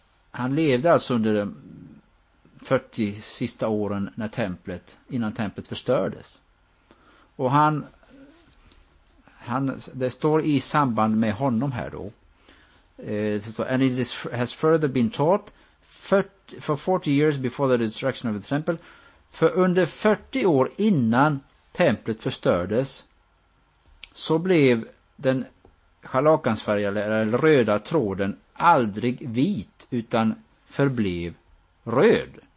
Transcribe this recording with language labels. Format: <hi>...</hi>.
<sv>Han levde alltså under 40 sista åren innan templet förstördes. Och han det står i samband med honom här då.</sv> <en>And it has further been taught for 40 years before the destruction of the temple.</en> <sv>För under 40 år innan templet förstördes så blev den schalakansfärgade eller röda tråden aldrig vit utan förblev röd.</sv>